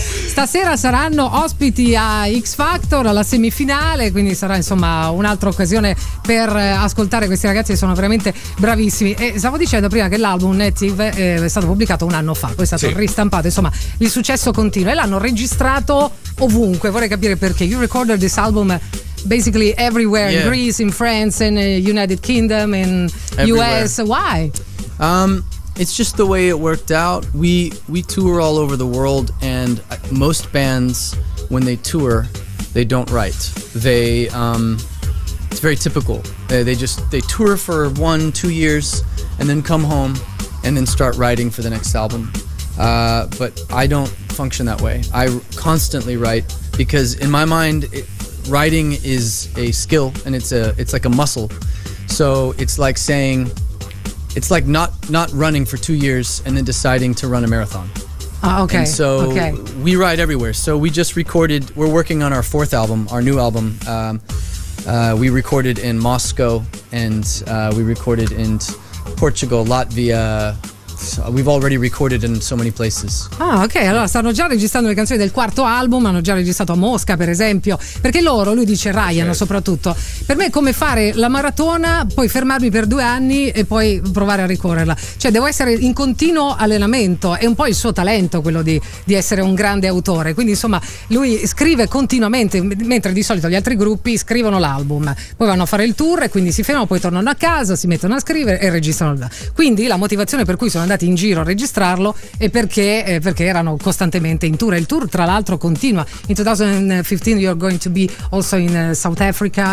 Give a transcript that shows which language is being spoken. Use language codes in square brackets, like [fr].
[it] Stasera saranno ospiti a X Factor, alla semifinale, quindi sarà insomma un'altra occasione per ascoltare questi ragazzi, che sono veramente bravissimi. E stavo dicendo prima che l'album Native è stato pubblicato un anno fa, poi è stato ristampato, insomma il successo continua, e l'hanno registrato ovunque. Vorrei capire perché. [en] You recorded this album basically everywhere, yeah. In Greece, in France, in United Kingdom, in US. Why? It's just the way it worked out. We tour all over the world, and most bands, when they tour, they don't write. It's very typical. They tour for 1-2 years and then come home and then start writing for the next album. But I don't function that way. I constantly write because in my mind, writing is a skill and it's like a muscle. So it's like saying, it's like not running for 2 years and then deciding to run a marathon. Okay. And so we write everywhere. So we just recorded, we're working on our fourth album, our new album. We recorded in Moscow and we recorded in Portugal, Latvia. We've already recorded in so many places. [it] Ah, ok, allora stanno già registrando le canzoni del quarto album, hanno già registrato a Mosca, per esempio. Perché loro, lui dice Ryan, certo. Soprattutto, per me è come fare la maratona, poi fermarmi per 2 anni e poi provare a ricorrerla. Cioè, devo essere in continuo allenamento. È un po' il suo talento, quello di essere un grande autore. Quindi, insomma, lui scrive continuamente, mentre di solito gli altri gruppi scrivono l'album. Poi vanno a fare il tour e quindi si fermano, poi tornano a casa, si mettono a scrivere e registrano. Quindi la motivazione per cui sono andati in giro a registrarlo e perché erano costantemente in tour. Il tour tra l'altro continua. [en] In 2015 you're going to be also in South Africa.